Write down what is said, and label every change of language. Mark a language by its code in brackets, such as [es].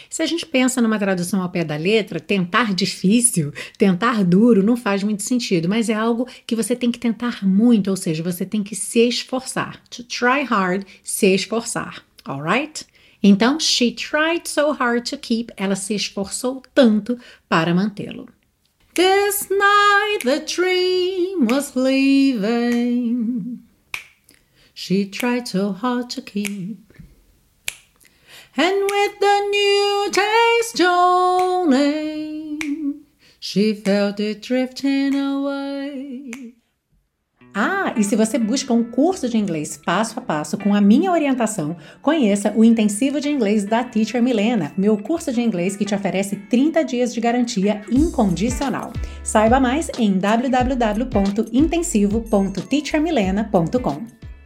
[pt] Se a gente pensa numa tradução ao pé da letra, tentar difícil, tentar duro, não faz muito sentido, mas é algo que você tem que tentar muito, ou seja, você tem que se esforçar. [en] To try hard, [pt] se esforçar, [en] alright? [pt] Então, [en] she tried so hard to keep, [pt] ela se esforçou tanto para mantê-lo. [en] This night the dream was leaving. She tried so hard to keep. And with the new day's dawning, she felt it drifting away. [pt] Ah, e se você busca um curso de inglês passo a passo com a minha orientação, conheça o Intensivo de Inglês da Teacher Milena, meu curso de inglês que te oferece 30 dias de garantia incondicional. Saiba mais em www.intensivo.teachermilena.com.